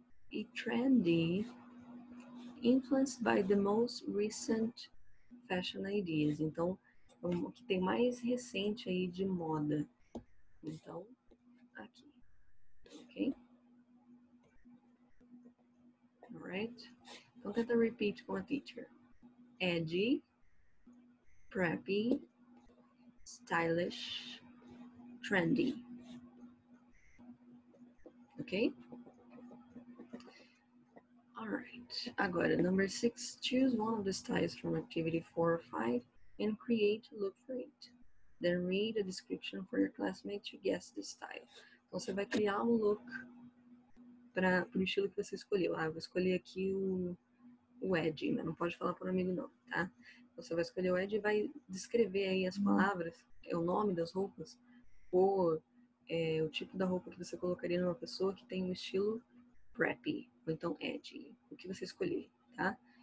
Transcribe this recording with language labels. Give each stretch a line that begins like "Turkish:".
English: E trendy, influenced by the most recent fashion ideas.
Portuguese: Então, o que tem mais recente aí de moda. Então, aqui, ok? Alright? Então, tenta repeat com a teacher. Edgy, preppy, stylish, trendy. Ok? Alright. Agora, number 6.
English: Choose one of the styles from activity 4 or 5 and create a look for it. Then read a description for your classmate to guess the style.
Portuguese: Então, você vai criar um look para o estilo que você escolheu. Ah, eu vou escolher aqui o Edge, mas não pode falar para um amigo não, tá? Você vai escolher o Edge e vai descrever aí as palavras, é o nome das roupas, ou é, o tipo da roupa que você colocaria numa pessoa que tem um estilo preppy, ou então Edge, o que você escolher, tá?